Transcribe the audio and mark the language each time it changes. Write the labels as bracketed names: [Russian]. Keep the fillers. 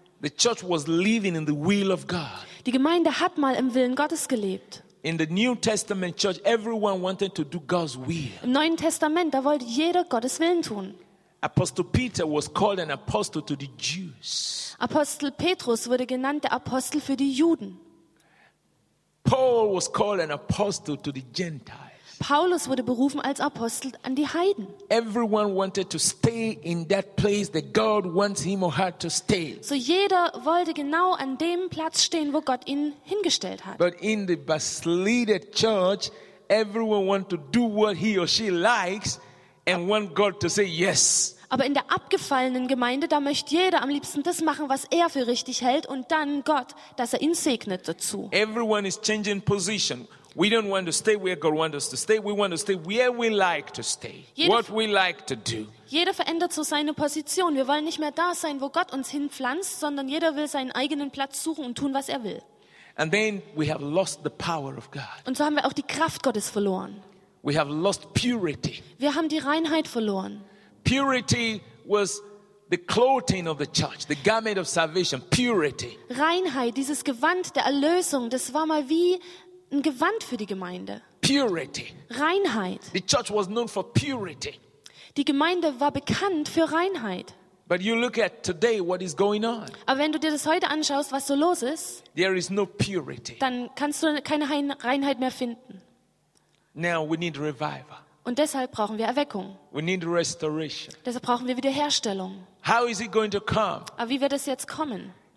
[English] church was living in the will of God. [German] Die Gemeinde hat mal im Willen Gottes gelebt. [English] In the New Testament church, everyone wanted to do God's will. [German] Im Neuen Testament, da wollte jeder Gottes Willen tun. [English] Apostle Peter was called an apostle to the Jews. [German] Apostel Petrus wurde genannt der Apostel für die Juden. [English] Paul was called an apostle to the Gentiles. [German] Paulus wurde berufen als Apostel an die Heiden. [English] Everyone wanted to stay in that place that God wants him or her to stay. [German] So jeder wollte genau an dem Platz stehen, wo Gott ihn hingestellt hat. [English] But in the backslided church, everyone wants to do what he or she likes. and want God to say yes. [German] Aber in der abgefallenen Gemeinde, da möchte jeder am liebsten das machen, was er für richtig hält und dann Gott, dass er ihn segnet dazu. [English] Everyone is changing position. We don't want to stay where God wants us to stay. We want to stay where we like to stay. What [German] jeder, [English] what we like to do. [German] Jeder verändert so seine Position. Wir wollen nicht mehr da sein, wo Gott uns hinpflanzt, sondern jeder will seinen eigenen Platz suchen und tun, was er will. [English] And then we have lost the power of God. [German] Und so haben wir auch die Kraft Gottes verloren. [English] We have lost purity. [German] Wir haben die Reinheit verloren. [English] Purity was the clothing of the church, the garment of salvation, purity. [German] Reinheit, dieses Gewand der Erlösung, das war mal wie ein Gewand für die Gemeinde. [English] Purity. [German] Reinheit. [English] The church was known for purity. [German] Die Gemeinde war bekannt für Reinheit. [English] But you look at today what is going on. [German] Aber wenn du dir das heute anschaust, was so los ist, [English] there is no purity. [German] Dann kannst du keine Reinheit mehr finden. [English] Now we need revival. [German] Und deshalb brauchen wir Erweckung. [English] We need restoration. [German] Deshalb brauchen wir Wiederherstellung. [English] How is it going to come? [German] Aber wie wird es jetzt kommen?